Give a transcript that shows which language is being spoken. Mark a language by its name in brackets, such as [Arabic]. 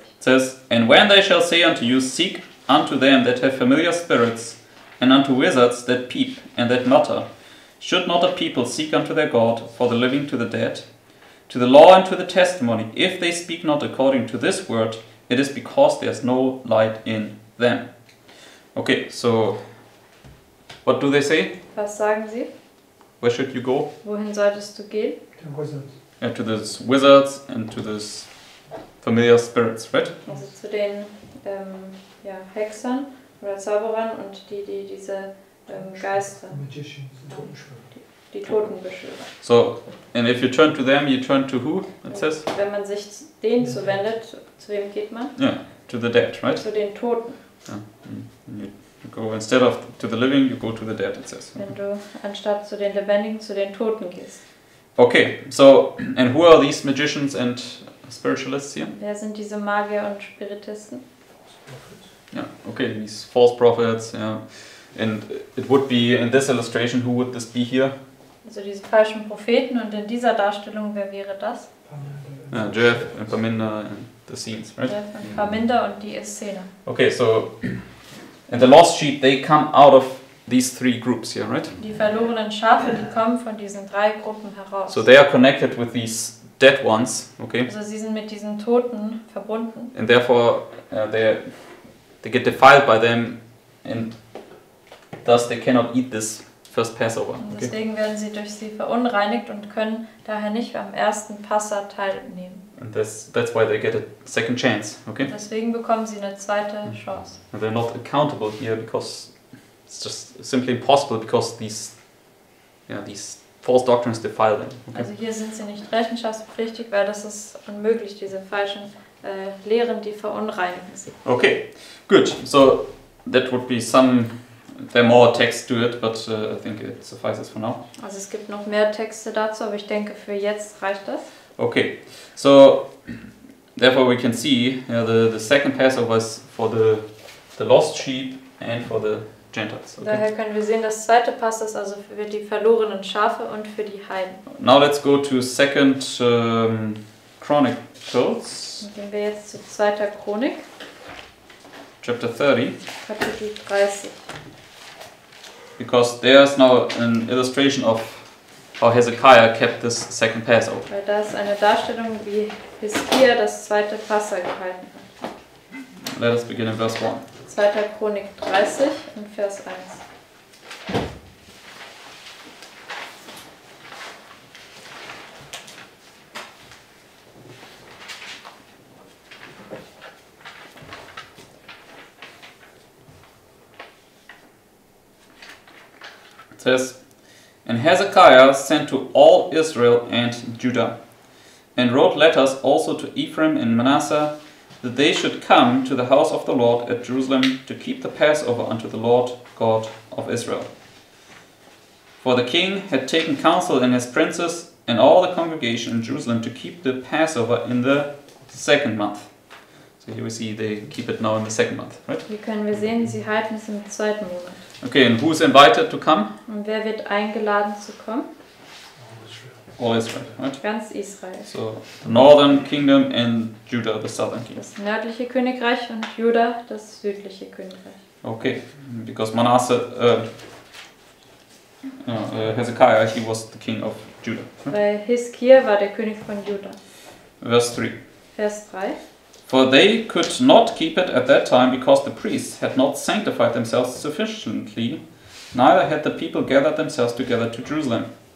[English] It says, and when they shall say unto you, seek unto them that have familiar spirits, and unto wizards that peep, and that mutter, should not a people seek unto their God, for the living to the dead, to the law and to the testimony, if they speak not according to this word, it is because there is no light in them. Okay, so, what do they say? [German] Was sagen sie? [English] Where should you go? [German] Wohin solltest du gehen? [English] To wizards. Yeah, to the wizards and to the familiar spirits, right? [German] Also zu den Hexern oder Zauberern und die diese Geister. [English] Magicians. [German] Die Totenbeschwörer. [English] So, and if you turn to them, you turn to who? It says. [German] Wenn man sich denen zuwendet, zu wem geht man? [English] Yeah, to the dead, right? [German] Zu den Toten. [English] Yeah. And you go instead of to the living, you go to the dead. It says. [German] Wenn du anstatt zu den Lebendigen zu den Toten gehst. [English] Okay, so, and who are these magicians and spiritualists here? [German] Wer sind diese Magier und Spiritisten? [English] Yeah, okay, these false prophets, yeah. And it would be, in this illustration, who would this be here? [German] Also diese falschen Propheten und in dieser Darstellung, wer wäre das? [English] Yeah, Jeff and Paminda and the scenes, right? [German] Jeff and Paminda und die Szene. [English] Okay, so, and the lost sheep, they come out of these three groups here, right? [German] Die verlorenen Schafe, die kommen von diesen drei Gruppen heraus. [English] So they are connected with these dead ones, okay? [German] Also sie sind mit diesen Toten verbunden. [English] And therefore, they get defiled by them, and thus they cannot eat this first Passover. [German] Und deswegen okay? werden sie durch sie verunreinigt und können daher nicht am ersten Passa teilnehmen. [English] And that's why they get a second chance, okay? [German] Deswegen bekommen sie eine zweite Chance. [English] And they're not accountable here because it's just simply impossible because these false doctrines defile them. Okay? [German] Also hier sind sie nicht rechenschaftspflichtig, weil das ist unmöglich, diese falschen Lehren, die verunreinigen sie. [English] Okay, good. So that would be some, there are more texts to it, but I think it suffices for now. [German] Also es gibt noch mehr Texte dazu, aber ich denke für jetzt reicht das. [English] Okay, so therefore we can see the second Passover was for the lost sheep and for the Gentiles, okay. [German] Daher können wir sehen, das zweite Pass ist also für die verlorenen Schafe und für die Heiden. [English] Now let's go to 2 Chronicles. [German] Gehen wir jetzt zu 2. Chronik. [English] Chapter 30. [German] Kapitel 30. [English] Because there is now an illustration of how Hezekiah kept this second Passover. [German] Weil da ist eine Darstellung, wie Hiskia das zweite Passa gehalten hat. [English] Let us begin in verse 1. [German] 2. Chronik 30 und Vers 1. [English] It says, and Hezekiah sent to all Israel and Judah, and wrote letters also to Ephraim and Manasseh, that they should come to the house of the Lord at Jerusalem to keep the Passover unto the Lord God of Israel. For the king had taken counsel in his princes and all the congregation in Jerusalem to keep the Passover in the second month. So here we see they keep it now in the second month, right? [German] Wir können sehen, sie halten es im zweiten Monat. [English] Okay, and who is invited to come? [German] Und wer wird eingeladen zu kommen? [English] All Israel, right? [German] Ganz Israel. [English] So the northern kingdom and Judah, the southern kingdom. [German] Das nördliche Königreich und Judah, das südliche Königreich. [English] Okay, because Manasseh, Hezekiah, he was the king of Judah. [German] Weil Hiskia war der König von Judah. [English] Verse 3. [German] Vers 3. [English] For they could not keep it at that time, because the priests had not sanctified themselves sufficiently, neither had the people gathered themselves together to Jerusalem.